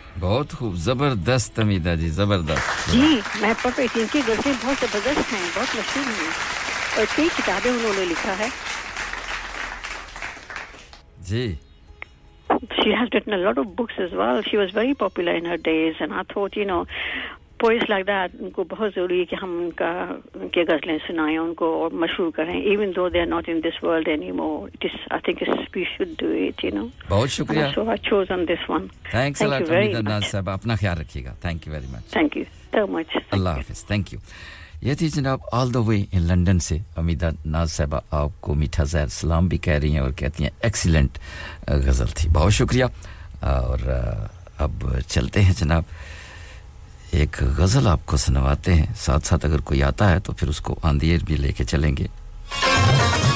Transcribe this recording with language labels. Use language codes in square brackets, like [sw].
[hi] बहुत खूब जबरदस्त अमीदा जी जबरदस्त जी मैं पढ़ रही थी इनकी गजलें बहुत जबरदस्त हैं बहुत मशहूर हैं और कई किताबें उन्होंने लिखा है जी. [en] She has written a lot of books as well. She was very popular in her days, and I thought, you know, poets like that, [hi] उनको बहुत जरूरी है कि हम उनका के गजलें सुनाएं, उनको और मशहूर करें. [en] Even though they are not in this world anymore, it is, I think it's, we should do it, you know. [hi] बहुत शुक्रिया. [en] So I chose on this one. Thanks a lot, Amita Naz Sahib. [hi] अपना ख्याल रखिएगा. [en] Thank you very much. Thank you so much. Allah Hafiz. Thank you. [hi] ये थी जनाब [en] all the way in London [hi] से अमीदा नाज साहबा. आपको मीठा ज़हर सलाम भी कह रही हैं और कहती हैं एक्सीलेंट गज़ल थी. बहुत शुक्रिया. और अब चलते हैं जनाब, एक गज़ल आपको सुनवाते हैं, साथ साथ अगर कोई आता है तो फिर उसको आंधियर भी लेके चलेंगे.